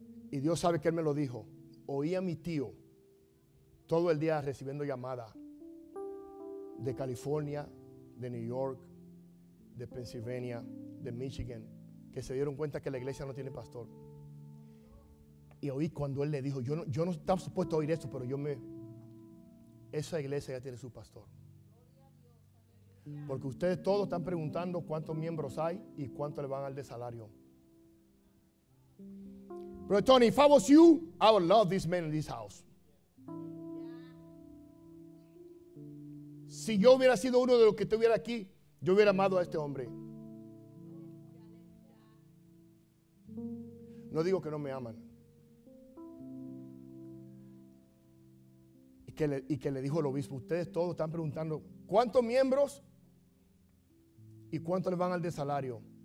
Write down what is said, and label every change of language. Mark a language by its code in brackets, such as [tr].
[es] Y Dios sabe que él me lo dijo. Oí a mi tío todo el día recibiendo llamadas de California, de New York, de Pennsylvania, de Michigan, que se dieron cuenta que la iglesia no tiene pastor. Y oí cuando él le dijo, yo no estaba supuesto a oír esto, pero esa iglesia ya tiene su pastor. Porque ustedes todos están preguntando cuántos miembros hay y cuánto le van al de salario. Pero [en] Tony, if I was you, I would love this man in this house. [es] Si yo hubiera sido uno de los que estuviera aquí, yo hubiera amado a este hombre. No digo que no me aman. Y que le dijo el obispo, ustedes todos están preguntando, ¿cuántos miembros y cuánto le van al de salario?